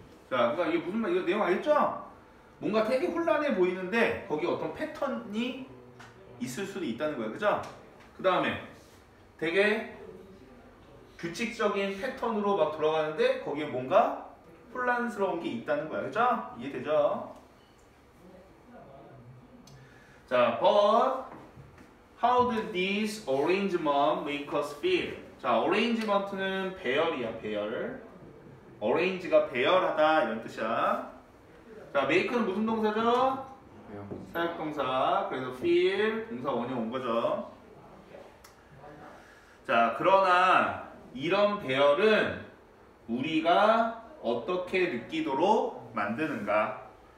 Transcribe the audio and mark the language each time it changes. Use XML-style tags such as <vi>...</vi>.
<ko>자, 그러니까 이게 무슨 말, 이거 내용 알겠죠? 뭔가 되게 혼란해 보이는데 거기 어떤 패턴이 있을 수도 있다는 거야, 그죠? 그 다음에 되게 규칙적인 패턴으로 막 돌아가는데 거기에 뭔가 혼란스러운 게 있다는 거야, 그죠? 이해되죠?</ko> <en>자, but how did this arrangement make us feel?</en> <ko>자, arrangement는 배열이야, 배열. arrange가 배열하다 이런 뜻이야. 자, make는 무슨 동사죠? 사역동사. 그래서 feel 동사 원형 온 거죠. 자, 그러나 이런 배열은 우리가 어떻게 느끼도록 만드는가?</ko>